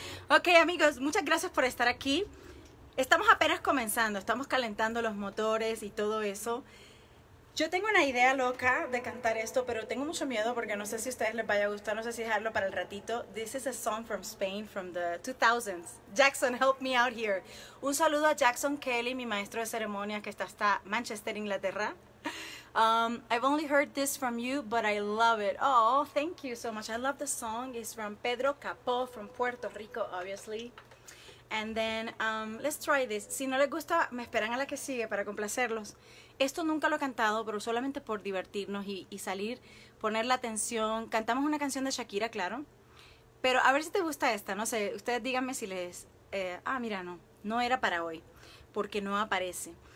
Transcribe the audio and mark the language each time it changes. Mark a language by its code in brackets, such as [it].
[es] Ok, amigos, muchas gracias por estar aquí. Estamos apenas comenzando, estamos calentando los motores y todo eso. Yo tengo una idea loca de cantar esto, pero tengo mucho miedo porque no sé si a ustedes les vaya a gustar, no sé si dejarlo para el ratito. [en] This is a song from Spain, from the 2000s. Jackson, help me out here. [es] Un saludo a Jackson Kelly, mi maestro de ceremonias, que está hasta Manchester, Inglaterra. [en] I've only heard this from you, but I love it. Oh, thank you so much. I love the song. It's from Pedro Capó, from Puerto Rico, obviously. And then, let's try this. [es] Si no les gusta, me esperan a la que sigue para complacerlos. Esto nunca lo he cantado, pero solamente por divertirnos y salir, poner la atención. Cantamos una canción de Shakira, claro. Pero a ver si te gusta esta, no sé. Ustedes díganme si les... mira, no era para hoy, porque no aparece.